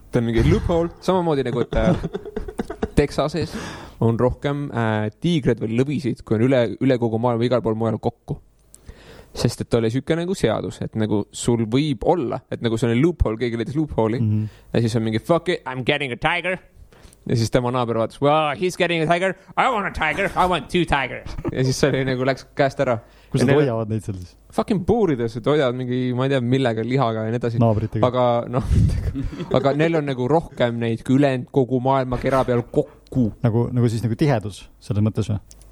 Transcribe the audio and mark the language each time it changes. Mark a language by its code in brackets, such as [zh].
[et] Ta on mingi loophole, samamoodi nagu, et Texases on rohkem tiigred või lõvisid, kui on üle kogu maailma igal pool mujal kokku. Sest et oli sükke nagu seadus, et nagu sul võib olla, et nagu see on loophole, keegi leidis loophole'i, mm-hmm. ja siis on mingi, [en] fuck it, I'm getting a tiger. [et] Ja siis tema naaber vaatas, [en] well, he's getting a tiger, I want a tiger, I want 2 tigers. [et] Ja siis see oli nagu läks käest ära. Kus nad hoiavad neid seal siis? Fucking puurides, et hoiavad mingi, ma ei tea, millega lihaga ja need asjad. Naabritega. Aga, no, aga neil on nagu rohkem neid külend kogu maailma kera peal kokku. Nagu siis nagu tihedus selles mõttes või?